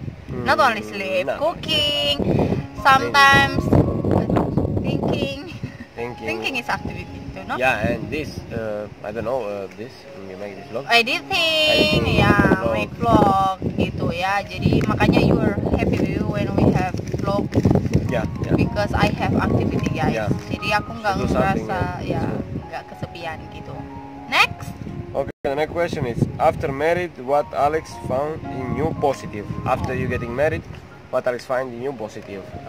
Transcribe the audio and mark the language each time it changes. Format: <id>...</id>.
<en>Not only sleep, cooking, sometimes thinking. Thinking is activity, you know? Yeah, and this, I don't know, this, you make this vlog? Editing, make vlog, gitu ya.</en> <id>Jadi makanya</id> <en>you are happy with you when we have vlog. Yeah. Because I have activity guys.</en> <id>Jadi aku nggak ngerasa nggak kesepian gitu.</id> <en>Next. Okay, the next question is, after married, what Alex found in you positive? After you getting married, what Alex find in you positive?</en>